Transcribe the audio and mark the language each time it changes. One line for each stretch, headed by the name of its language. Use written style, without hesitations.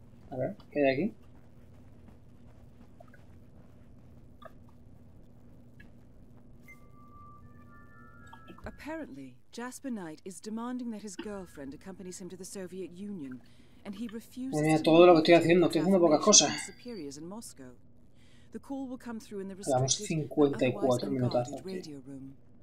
Spanish: A ver, ¿qué hay aquí?
English: Apparently, Jasper Knight is demanding that his girlfriend accompanies him to the Soviet Union, and he refuses.
Spanish: Mira, todo lo que estoy haciendo, estoy haciendo pocas cosas.
English: Superiors in Moscow. The call will come through in the restricted radio room.